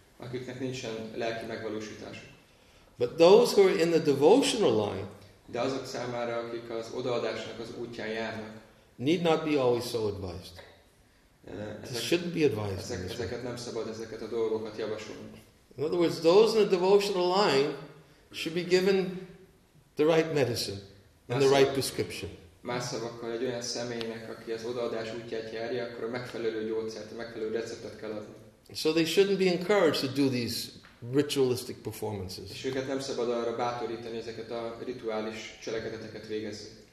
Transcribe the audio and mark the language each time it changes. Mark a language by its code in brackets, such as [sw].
[hu] Akiknek nincsen lelki megvalósításuk. [en] But those who are in the devotional line. [hu] De azok számára, akik az odaadásnak az útján járnak. [en] Need not be always so advised. This shouldn't be advised. [hu] Ezeket nem szabad ezeket a dolgokat javasolni. [en] In other words, those in the devotional line should be given the right medicine and the right prescription. [hu] Más szavakkal, egy olyan személynek, aki az odaadás útját járja, akkor a megfelelő gyógyszert, a megfelelő receptet kell adni. [en] So they shouldn't be encouraged to do these ritualistic performances. [hu] És őket nem szabad arra bátorítani, ezeket a rituális cselekedeteket végezni.